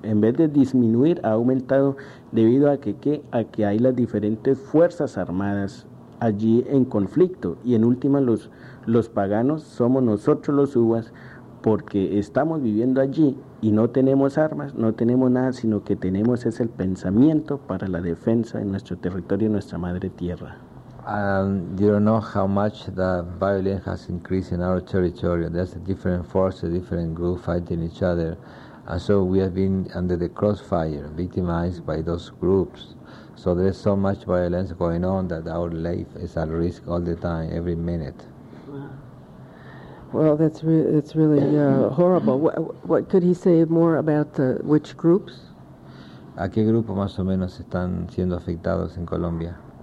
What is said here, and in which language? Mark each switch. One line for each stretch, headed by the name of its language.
Spanish: En vez de disminuir, ha aumentado debido a que hay las diferentes fuerzas armadas allí en conflicto. Y en última, los paganos somos nosotros los uvas porque estamos viviendo allí y no tenemos armas, no tenemos nada, sino que tenemos es el pensamiento para la defensa de nuestro territorio, nuestra madre tierra.
English: You don't know how much the violence has increased in our territory. There's a different forces, different groups fighting each other. And so we have been under the crossfire, victimized by those groups. So there's so much violence going on that our life is at risk all the time, every minute. Well, that's really horrible. What could he say more about which groups?
Spanish: ¿A qué grupo más o menos están siendo afectados en Colombia?